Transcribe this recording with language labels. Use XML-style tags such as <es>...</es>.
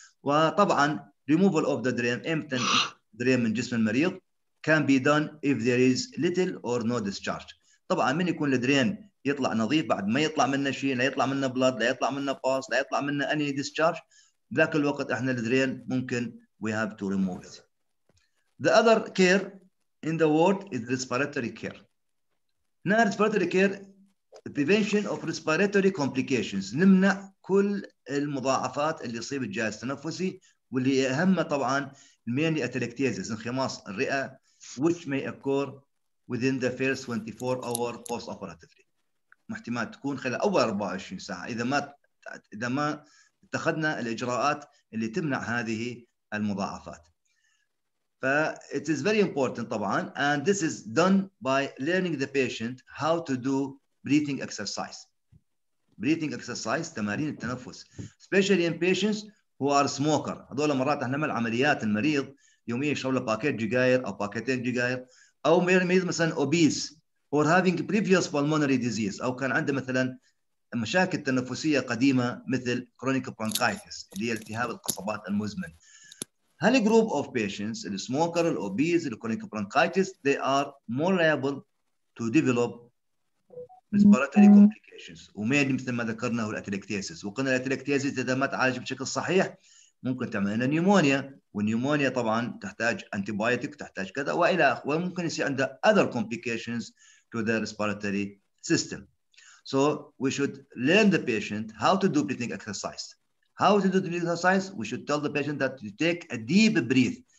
<en>وطبعا removal of the drain empty drain</en> <ar>من جسم المريض</ar> <en>can be done if there is little or no discharge.</en> <ar>طبعا من يكون الدرين يطلع نظيف بعد ما يطلع منه شيء، لا يطلع منه blood، لا يطلع منه pus، لا يطلع منه any discharge، ذاك الوقت احنا الدرين ممكن</ar> <en>we have to remove it. The other care in the world is respiratory care. Now respiratory care prevention of respiratory complications،</en> <ar>نمنع كل المضاعفات اللي يصيب الجهاز التنفسي، واللي أهمها طبعاً</ar> <en>mainly atelectasis</en> <ar>انخماص الرئة</ar> <en>which may occur within the first 24 hour post operatively،</en> <ar>محتمال تكون خلال أول 24 ساعة إذا ما اتخذنا الإجراءات اللي تمنع هذه المضاعفات.</ar> <en>ف it is very important طبعاً، and this is done by learning the patient how to do breathing exercise. Breathing exercise</en> <ar>تمارين التنفس</ar> <en>especially in patients who are smoker.</en> <ar>هذول مرات احنا نعمل عمليات المريض يوميا يشرب له باكيت جيجاير او باكيتين جيجاير، او مريض مثلا</ar> <en>obese or having previous pulmonary disease</en> <ar>او كان عنده مثلا مشاكل تنفسيه قديمه مثل chronic bronchitis اللي هي التهاب القصبات المزمن. هل</ar> <en>group of patients the smoker the obese the chronic bronchitis they are more liable to develop respiratory complications</en> <ar>ومادي مثل ما ذكرنا هو الاتلكتيزيس، وقلنا الاتلكتيزيس اذا ما تعالج بشكل صحيح ممكن تعمل لنا نيومونيا، والنيومونيا طبعا تحتاج انتي بايوتيك تحتاج كذا والى اخره، وممكن يصير عنده</ar> <en>other complications to the respiratory system. So we should learn the patient how to do breathing exercise. How to do the breathing exercise we should tell the patient that you take a deep breath.</en>